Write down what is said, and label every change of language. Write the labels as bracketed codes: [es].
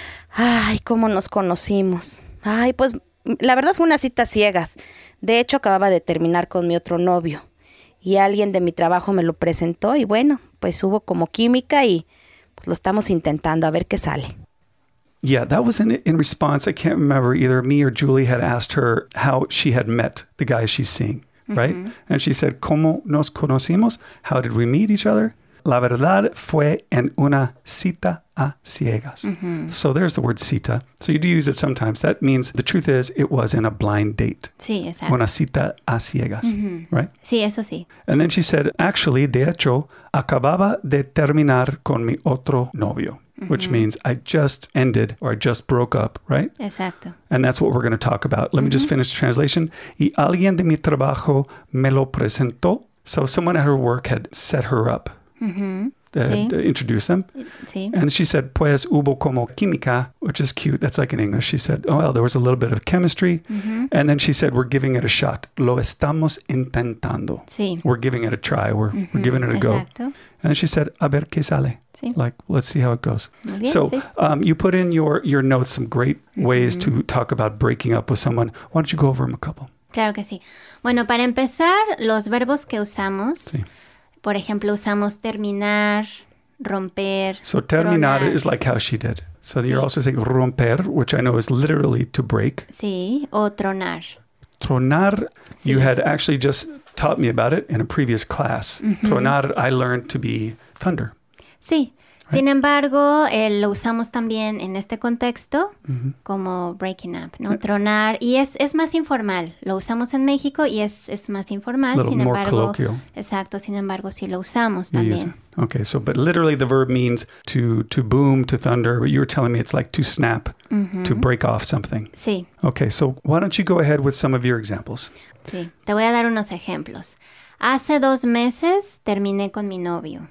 [es] Ay, cómo nos conocimos. Ay, pues la verdad fue una cita ciegas. De hecho, acababa de terminar con mi otro novio. Y alguien de mi trabajo me lo presentó y bueno, pues hubo como química y pues lo estamos intentando a ver qué sale. [en] Yeah, that was in response. I can't remember, either me or Julie had asked her how she had met the guy she's seeing, right? Mm-hmm. And she said, [es] ¿cómo nos conocimos? [en] How did we meet each other? [es] La verdad fue en una cita a ciegas. [en] Mm-hmm. So there's the word cita. So you do use it sometimes. That means the truth is it was in a blind date. [es] Sí, exacto. Una cita a ciegas, mm-hmm. right? Sí, eso sí. [en] And then she said, actually, [es] de hecho, acababa de terminar con mi otro novio. [en] Mm-hmm. Which means I just ended or I just broke up, right? [es] Exacto. [en] And that's what we're going to talk about. Let mm-hmm. me just finish the translation. [es] Y alguien de mi trabajo me lo presentó. [en] So someone at her work had set her up, mm-hmm. Sí. Introduced them. [es] Sí. [en] And she said, [es] pues hubo como química, [en] which is cute. That's like in English. She said, oh, well, there was a little bit of chemistry. Mm-hmm. And then she said, we're giving it a shot. [es] Lo estamos intentando. Sí. [en] We're giving it a try. We're, mm-hmm. we're giving it a [es] Exacto. [en] go. And then she said, [es] a ver qué sale. Sí. [en] Like, let's see how it goes. [es] Bien, [en] so [es] sí. [en] You put in your notes some great ways mm-hmm. to talk about breaking up with someone. Why don't you go over them a couple? [es] Claro que sí. Bueno, para empezar, los verbos que usamos, sí. por ejemplo, usamos terminar, romper. [en] So terminar tronar. Is like how she did. So sí. you're also saying romper, which I know is literally to break. [es] Sí, o tronar. Tronar, sí. [en] you had actually just taught me about it in a previous class. Mm-hmm. Tronar, I learned to be thunder. [es] Sí. Right. Sin embargo, lo usamos también en este contexto mm-hmm. como [en] breaking up, [es] ¿no? Yeah. Tronar. Y es más informal. Lo usamos en México y es más informal. [en] A little [es] sin [en] more [es] embargo, [en] colloquial. [es] Exacto. Sin embargo, sí lo usamos también. Yes. [en] Okay. So, but literally the verb means to boom, to thunder. But you were telling me it's like to snap, mm-hmm. to break off something. [es] Sí. [en] Okay. So, why don't you go ahead with some of your examples? [es] Sí. Te voy a dar unos ejemplos. Hace dos meses terminé con mi novio.